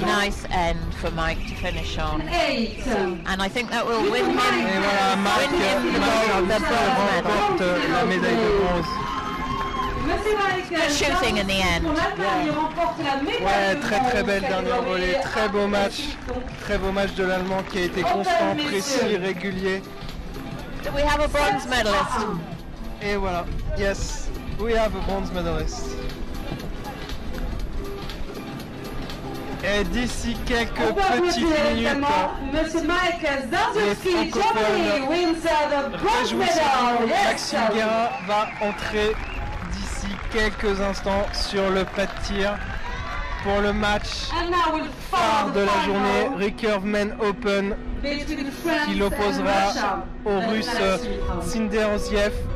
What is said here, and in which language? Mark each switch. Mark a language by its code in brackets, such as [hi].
[en] That's a nice end for Mike to finish on. Eight. And I think that will win him. [fr] Et voilà, Mike remporte la médaille de bronze. [en] Good shooting in the end. [fr] Ouais, très très belle dernière volée. Très beau match de l'Allemand qui a été constant, précis, régulier. [en] Do we have a bronze medalist? [fr] Et voilà. [en] Yes, we have a bronze medalist. [fr] Et d'ici quelques petites minutes, [en] Monsieur Mike Zazowski, Germany, wins the bronze medal. [fr] Maxime Guérin va entrer quelques instants sur le pas de tir pour le match phare de la journée, Recurve Men Open, qui l'opposera au Russe Sinder Ziev.